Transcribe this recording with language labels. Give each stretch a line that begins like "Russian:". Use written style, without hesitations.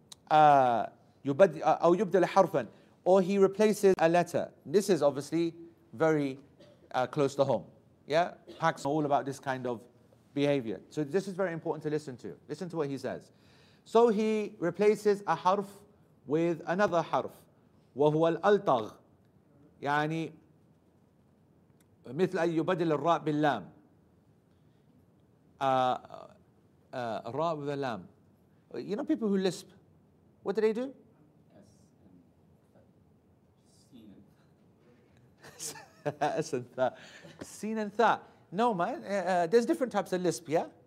Arabic: أو يبدل حرفا,
English: or he replaces a letter. This is obviously very close to home. Yeah, Pax are all about this kind of behavior. So this is very important to listen to. Listen to what he says. So he replaces a harf with another harf.
Arabic: وهو الألطغ. يعني مثل أن يبدل الراء باللام.
English: راء with a lam. You know people who lisp, what do they do? S and tha. Seen and tha. No man, there's different types of lisp, yeah?